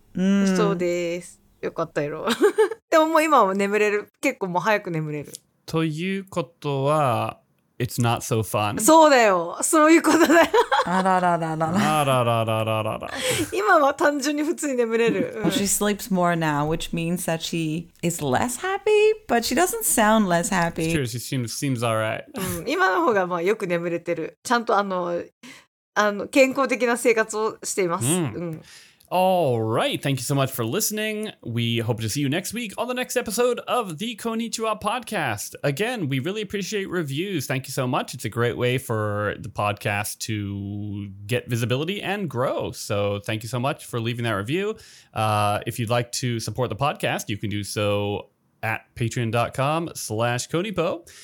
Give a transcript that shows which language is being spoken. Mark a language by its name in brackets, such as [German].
[Japanese] そうです。よかったやろ。でももう今は眠れる。結構もう早く眠れる。 [English] ということは、It's not so fun. [Japanese] そうだよ。そういうことだよ。あらららら。あらららららら。今は単純に普通に眠れる。 [English] Well, she sleeps more now, which means that she is less happy, but she doesn't sound less happy. It's true. She seems alright. [Japanese] 今の方がまあよく眠れてる。ちゃんと健康的な生活をしています。 [English] All right. Thank you so much for listening. We hope to see you next week on the next episode of the Konnichiwa Podcast. Again, we really appreciate reviews. Thank you so much. It's a great way for the podcast to get visibility and grow. So thank you so much for leaving that review. If you'd like to support the podcast, you can do so at patreon.com/konipo.